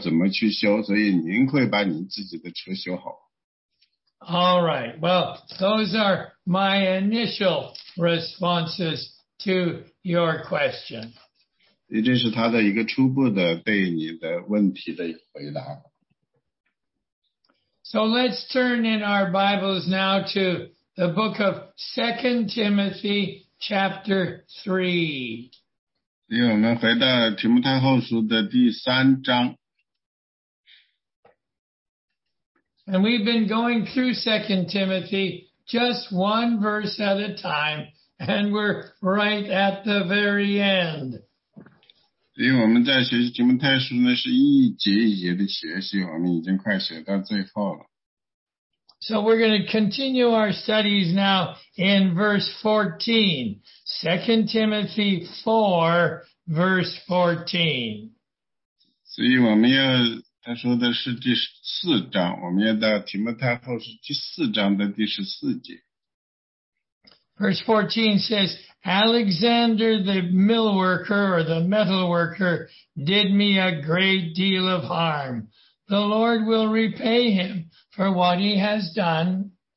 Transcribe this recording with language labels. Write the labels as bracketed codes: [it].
[zh] 因为我就跟主说呢，主说呢，我的车需要维修了，所以主啊，求您帮助我。您知道，我的车也是要怎么去修，所以您会把您自己的车修好。 [en] All right. Well, those are my initial responses to your question. [zh] 这是他的一个初步的对你的问题的回答。 [en] So let's turn in our Bibles now to the book of 2 Timothy chapter 3. [zh] 我们回到提摩太后书的第三章。 [en] And we've been going through 2 Timothy just one verse at a time, And we're right at the very end. So we're going to continue our studies now in verse 14. 2 Timothy 4, verse 14. [zh] 所以我们要，他说的是第四章，我们要到提摩太后书第四章的第十四节。 [en] Verse 14 says, Alexander the mill worker or the metal worker did me a great deal of harm. The Lord will repay him for what he has done.